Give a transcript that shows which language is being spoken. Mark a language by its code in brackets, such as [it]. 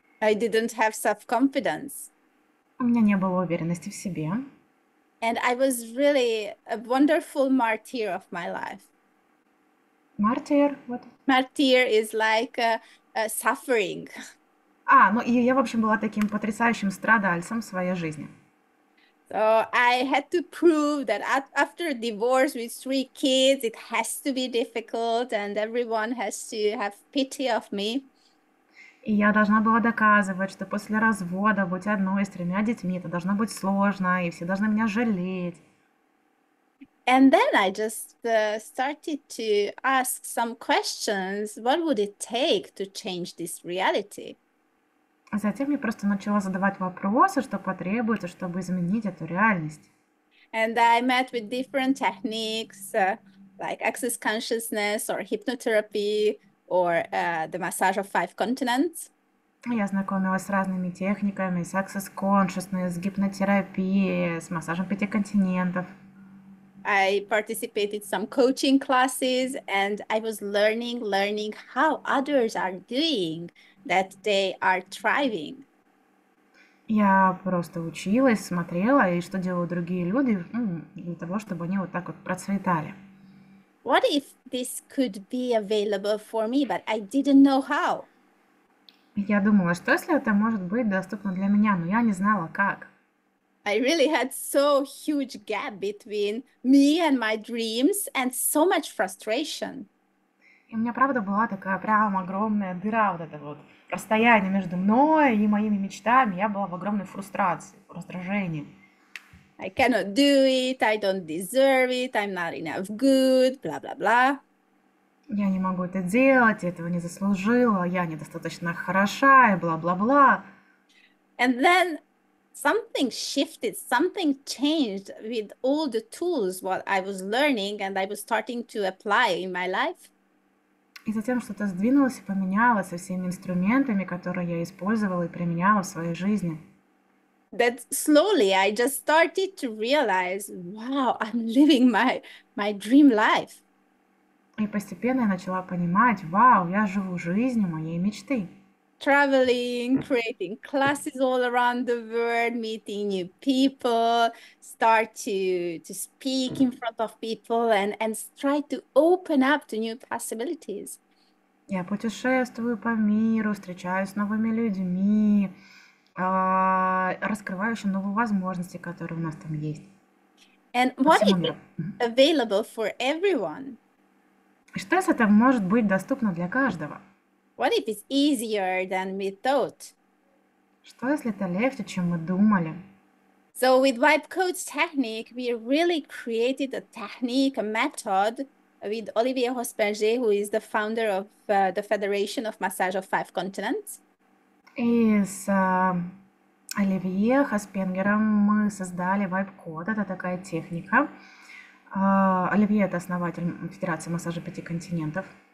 [en] I didn't have self-confidence. [ru] У меня не было уверенности в себе. [en] And I was really a wonderful martyr of my life. [ru] Мартир, вот. [en] Martyr is like a suffering. [ru] А, ну и я, в общем, была таким потрясающим страдальцем в своей жизни. [en] So I had to prove that after a divorce with three kids, it has to be difficult and everyone has to have pity of me. [ru] И я должна была доказывать, что после развода, быть одной с тремя детьми, это должно быть сложно, и все должны меня жалеть. [en] And then I just started to ask some questions. What would it take to change this reality? [ru] А затем я просто начала задавать вопросы, что потребуется, чтобы изменить эту реальность. [en] And I met with different techniques, like access consciousness or hypnotherapy or the massage of five continents. [ru] Я знакомилась с разными техниками, с Access Consciousness, с гипнотерапией, с массажем пяти континентов. [en] I participated in some coaching classes and I was learning how others are doing, that they are thriving. [ru] Я просто училась, смотрела, и что делают другие люди, для того, чтобы они вот так вот процветали. [en] What if this could be available for me, but I didn't know how? [ru] Я думала, что если это может быть доступно для меня, но я не знала как. [en] I really had so huge gap between me and my dreams and so much frustration. [ru] И у меня правда была такая прям огромная дыра, вот это вот расстояние между мной и моими мечтами. Я была в огромной фрустрации, в раздражении. [en] I cannot do it, I don't deserve it, I'm not enough good, [ru] бла-бла-бла. Я не могу это делать, я этого не заслужила, я недостаточно хороша и бла-бла-бла. [en] And then something shifted, something changed with all the tools what I was learning and I was starting to apply in my life. [ru] И затем что-то сдвинулось и поменялось со всеми инструментами, которые я использовала и применяла в своей жизни. [en] That slowly I just started to realize, wow, I'm living my dream life. [ru] И постепенно я начала понимать, вау, я живу жизнью моей мечты. [en] Traveling, creating classes all around the world, meeting new people, start to speak in front of people and try to open up to new possibilities. [ru] Я путешествую по миру, встречаюсь с новыми людьми, раскрываю еще новые возможности, которые у нас там есть. [en] And [ru] По [en] what [ru] всему миру. [en] it's available for everyone? [ru] Что если это может быть доступно для каждого? [en] What if it's easier than we thought? [ru] Что если это легче, чем мы думали? [en] So with vibe coach technique, we really created a technique, a method with Olivier Hospinger, who is the founder of the Federation of Massage of Five Continents. [ru] И с Оливье Хаспенгером мы создали вайб-код. Это такая техника. Оливье – это основатель Федерации массажа пяти континентов.